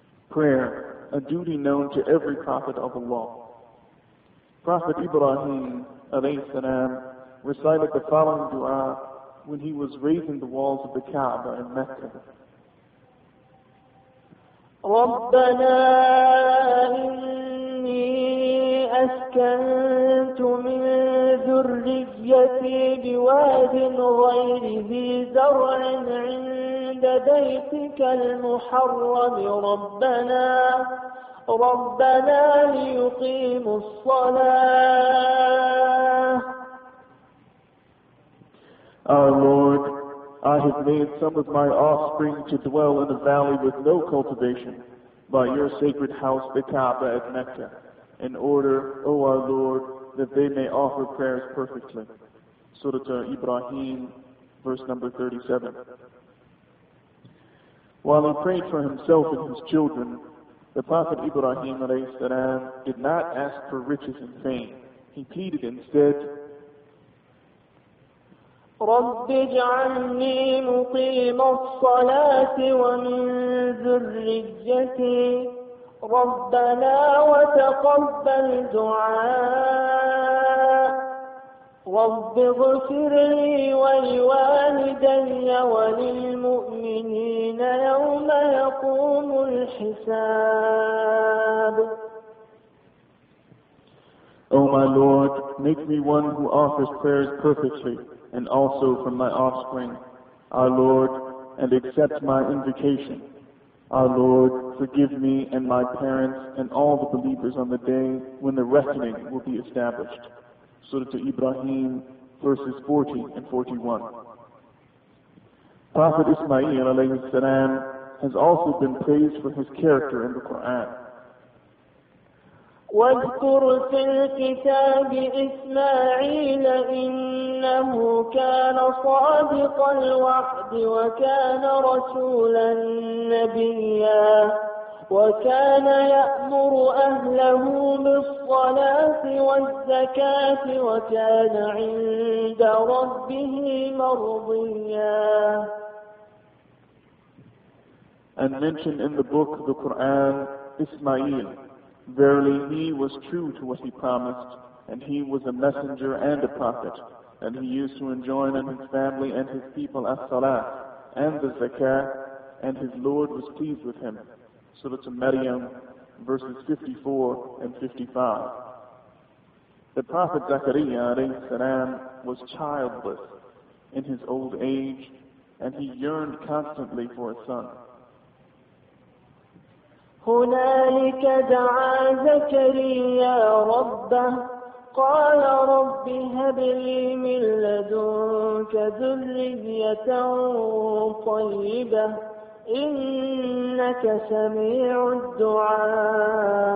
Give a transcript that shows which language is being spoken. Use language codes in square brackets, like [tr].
[en] Prayer, a duty known to every prophet of Allah. Prophet Ibrahim, alayhi salam, recited the following dua when he was raising the walls of the Kaaba in Mecca. [ar] ربنا إني أسكنت من ذريتي بواد غير ذي زرع عند بيتك المحرم ربنا ليقيموا الصلاة. [en] Our Lord, I have made some of my offspring to dwell in a valley with no cultivation, by your sacred house, the Kaaba at Mecca, in order, O our Lord, that they may offer prayers perfectly. Surah Ibrahim, verse number 37. While he prayed for himself and his children, the Prophet Ibrahim, alayhi salam, did not ask for riches and fame. He pleaded instead, [ar] رب اجعلني مقيم الصلاة ومن ذريتي ربنا وتقبل دعاء رب اغفر لي ولوالدي وللمؤمنين يوم يقوم الحساب. [en] O my Lord, make me one who offers prayers perfectly, and also from my offspring, our Lord, and accept my invocation. Our Lord, forgive me and my parents and all the believers on the day when the reckoning will be established. Surah Ibrahim, verses 40 and 41. Prophet Ismail, alayhi salam, has also been praised for his character in the Quran. [ar] واذكر في الكتاب إسماعيل إنه كان صادق الوعد وكان رسولا نبيا وكان يأمر أهله بالصلاة والزكاة وكان عند ربه مرضيا. [en] and mention in the book of the Quran Ismail. Verily he was true to what he promised, and he was a messenger and a prophet, and he used to enjoin on his family and his people as-salat and the zakah, and his Lord was pleased with him. Surah Maryam, verses 54 and 55. The Prophet Zakariya alayhi salam was childless in his old age, and he yearned constantly for a son. [ar] هنالك دعا زكريا ربه قال رب هب لي من لدنك ذرية طيبة إنك سميع الدعاء.